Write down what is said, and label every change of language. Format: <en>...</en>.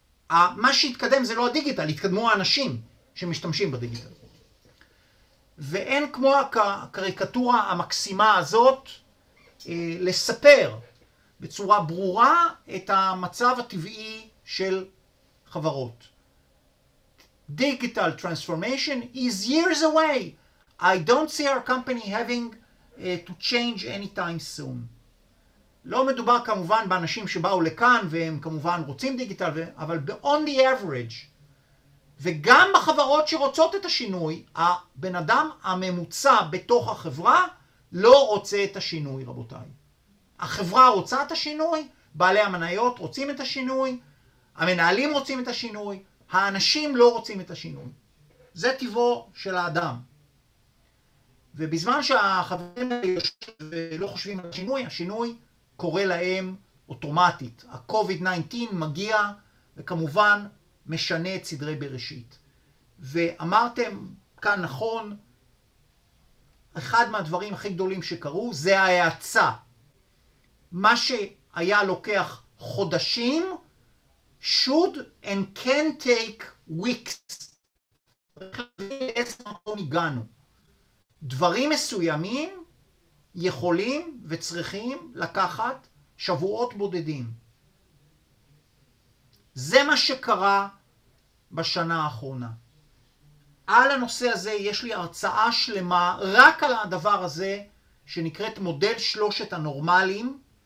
<he>מה שהתקדם זה לא הדיגיטל, התקדמו האנשים שמשתמשים בדיגיטל. ואין כמו הקריקטורה המקסימה הזאת לספר בצורה ברורה את המצב הטבעי של חברות.</he> <en>Digital transformation is years away. I don't see our company having to change anytime soon.</en> <he>לא מדובר כמובן באנשים שבאו לכאן והם כמובן רוצים דיגיטל, אבל</he> <en>on the average,</en> <he>וגם בחברות שרוצות את השינוי, הבן אדם הממוצע בתוך החברה לא רוצה את השינוי, רבותיי. החברה רוצה את השינוי, בעלי המניות רוצים את השינוי, המנהלים רוצים את השינוי, האנשים לא רוצים את השינוי. זה טבעו של האדם. ובזמן שהחברים לא חושבים על השינוי, השינוי קורה להם אוטומטית. ה-COVID-19 מגיע וכמובן משנה את סדרי בראשית. ואמרתם כאן נכון, אחד מהדברים הכי גדולים שקרו זה ההאצה. מה שהיה לוקח חודשים,</he> <en>should and can take weeks.</en> <he>איזה מקום הגענו? דברים מסוימים יכולים וצריכים לקחת שבועות בודדים. זה מה שקרה בשנה האחרונה. על הנושא הזה יש לי הרצאה שלמה רק על הדבר הזה שנקראת מודל שלושת הנורמלים.</he>